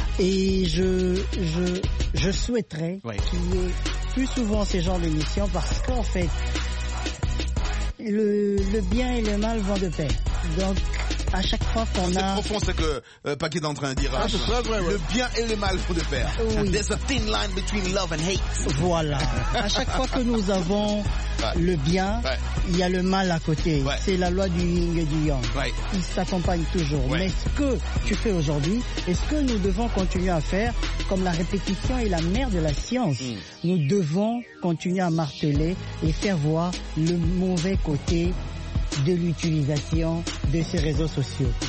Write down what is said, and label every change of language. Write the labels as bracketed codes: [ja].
[fr] Et je souhaiterais qu'il y ait plus souvent ces genres d'émissions, parce qu'en fait, le bien et le mal vont de pair. Donc, à chaque fois qu'on c'est a... C'est profond ce que Paquet est en train de dire. Ah, c'est ça, vrai, le bien et le mal font de pair. Oui. [en] There's a thin line between love and hate. [fr] Voilà. À chaque fois que nous avons le bien, il y a le mal à côté. Ouais. C'est la loi du yin et du yang. Ouais. Ils s'accompagnent toujours. Ouais. Mais ce que tu fais aujourd'hui, est-ce que nous devons continuer à faire, comme la répétition est la mère de la science, nous devons continuer à marteler et faire voir le mauvais côté de l'utilisation de ces réseaux sociaux.